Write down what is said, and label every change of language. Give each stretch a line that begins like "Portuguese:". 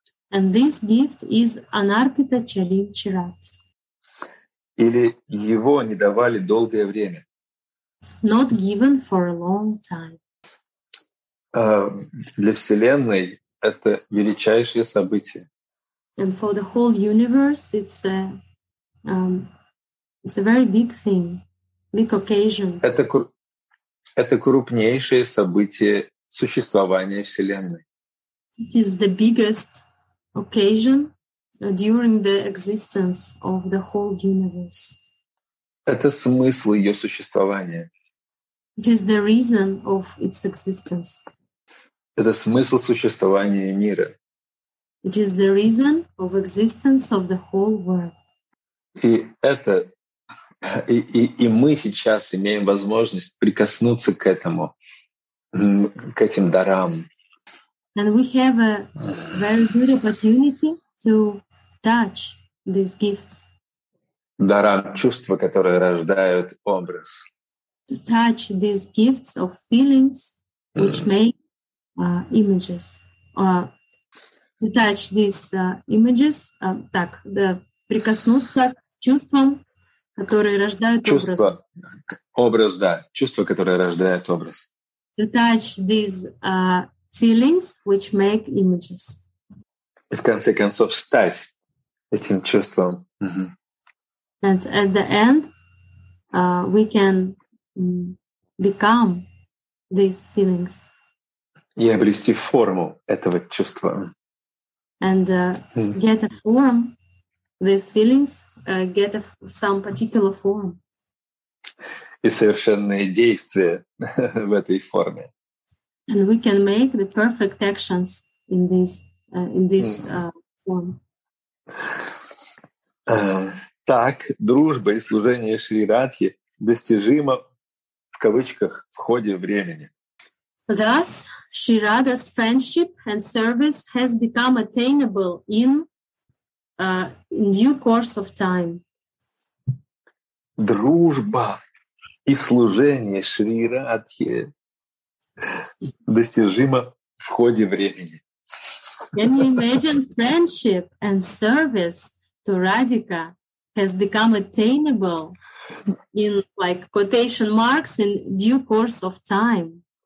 English: And this gift is
Sanskrit: анарпита чарим чира.
Russian: Или его не давали долгое время.
English: Not given for a long time.
Russian: Для Вселенной это величайшее событие.
English: And for the whole universe, it's a very big thing, big occasion.
Russian: Это крупнейшее событие существования Вселенной.
English: It is the biggest occasion during the existence of the whole universe.
Russian: Это смысл ее существования.
English: It is the reason of its existence.
Russian: Это смысл существования мира.
English: It is the reason of existence of the whole world.
Russian: И мы сейчас имеем возможность прикоснуться к этому, к этим дарам.
English: And we have a very good opportunity to touch these gifts.
Russian: Дарам чувства, которые рождают образ.
English: To touch these gifts of feelings, which make images. To touch these images,
Russian: так, да, прикоснуться к чувствам, которые рождают чувство, образ. Образ, да. Чувства, которые рождают образ.
English: To touch these feelings, which make images.
Russian: И в конце концов стать этим чувством.
English: And at the end, we can become these feelings.
Russian: И обрести форму этого чувства.
English: And get a form, these feelings, get some particular form.
Russian: И совершенные действия в этой форме.
English: And we can make the perfect actions in this form.
Russian: Так, дружба и служение Шри Радхи достижимо в кавычках в ходе времени.
English: Thus, Shri Radha's friendship and service has become attainable in due course of time.
Russian: Дружба и служение Шри Радхи достижимо в ходе времени.
English: Can you imagine friendship and service to Radhika has become attainable in like quotation marks in due course of time?